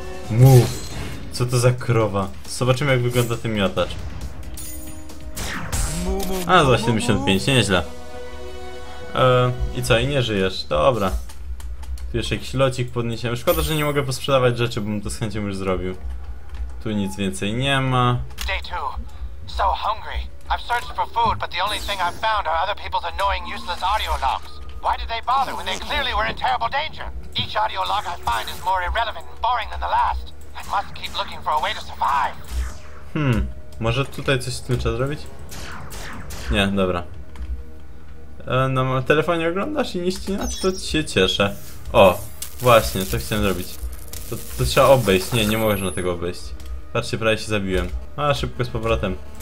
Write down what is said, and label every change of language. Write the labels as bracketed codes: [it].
[pl] Mu. Co to za krowa? Zobaczymy, jak wygląda ten miotacz. A, za 75, nieźle. I co, i nie żyjesz? Dobra. Tu jeszcze jakiś locik podniesiemy. Szkoda, że nie mogę posprzedawać rzeczy, bo bym to z chęcią już zrobił. Tu nic więcej nie ma. [en] Day 2. So hungry. I've searched for food, but the only thing I've found are other people's annoying, useless audio logs. Why did they bother when they clearly were in terrible danger? Each audio log I find is more irrelevant and boring than the last. I must keep looking for a way to survive. [pl] Hmm, może tutaj coś z tym trzeba zrobić? Nie, dobra. No, telefonie oglądasz i nie ścinać? To się cieszę. O, właśnie, co chciałem zrobić. To trzeba obejść. Nie, nie możesz na tego obejść. Patrzcie, prawie się zabiłem. A, szybko z powrotem.